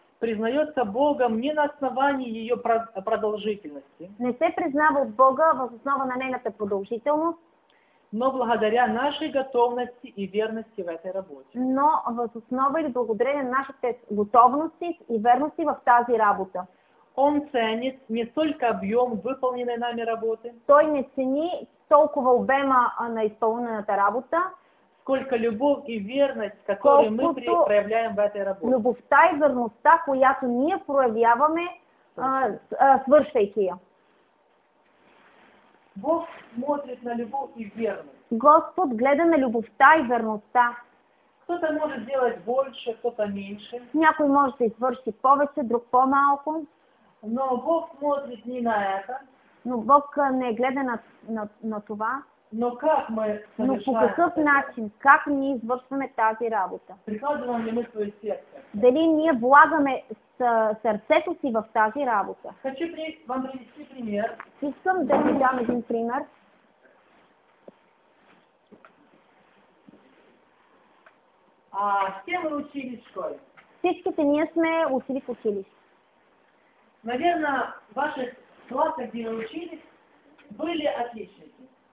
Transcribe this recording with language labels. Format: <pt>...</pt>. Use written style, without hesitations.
<ru>Признается Богом не на основании ее продолжительности.</ru> <bg>Не се признава от Бога в основа на нейната продължителност.</bg> <ru>Но благодаря нашей готовности и верности в этой работе.</ru> <bg>Но в основа или благодаря нашите готовности и верности в тази работа.</bg> <ru>Он ценит не столько объем выполненной нами работы.</ru> <bg>Той не цени толкова обема на исполнената работа.</bg> <ru>Сколько любовь и верность, которые мы проявляем в этой работе.</ru> <bg>Любовта и верността, която ние проявяваме, свършвайки я.</bg> <ru>Бог смотрит на любовь и верность.</ru> <bg>Господ гледа на любовта и верността.</bg> <ru>Кто-то может делать больше, кто-то меньше.</ru> <bg>Някой може да извърши повече, друг по-малко.</bg> <ru>Но Бог смотрит не на это.</ru> <bg>Но Бог не гледа на това.</bg> <ru>Но как мы совершаем?</ru> <bg>Но по какъв начин, как ние извършваме тази работа?</bg> <ru>Прикладываем ли мы свое сердце?</ru> <bg>Дали ние влагаме сърцето си в тази работа?</bg> <ru>Хочу вам привести пример.</ru> <bg>Искам да ви дам един пример.</bg> <ru>А с кем вы учились в школе?</ru> <bg>Всичките ние сме учили в училище.</bg> <ru>Наверное, в ваших класах, где вы учились, были отличники.</ru>